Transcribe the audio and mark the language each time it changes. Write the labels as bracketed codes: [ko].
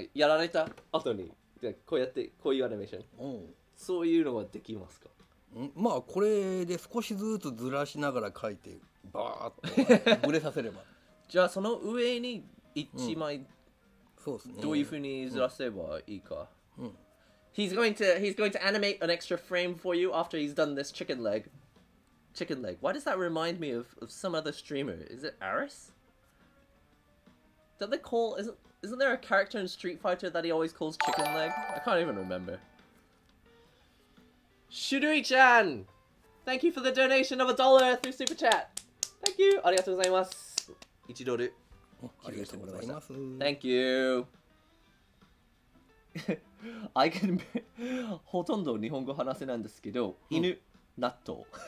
[ja] なんかやられた後にこうやってこういうアニメーション、うん、そういうのはできますか？ん、まあこれで少しずつずらしながら描いてバーッとぶれさせればじゃあその上に1枚、うん、そうですね、どういうふうにずらせばいいか、うんうん、 [en] He's going to animate an extra frame for you after he's done this chicken leg. Chicken leg. Why does that remind me of some other streamer? Is it Aris? Don't they call... Isn't there a character in Street Fighter that he always calls chicken leg? I can't even remember. Shudui-chan! Thank you for the donation of $1 through Super Chat! Thank you! [ja] ありがとうございます。 1ドル。ありがとうございます。 [en] Thank you! I can be... [ja] ほとんど日本語話せないんですけど、犬、納豆。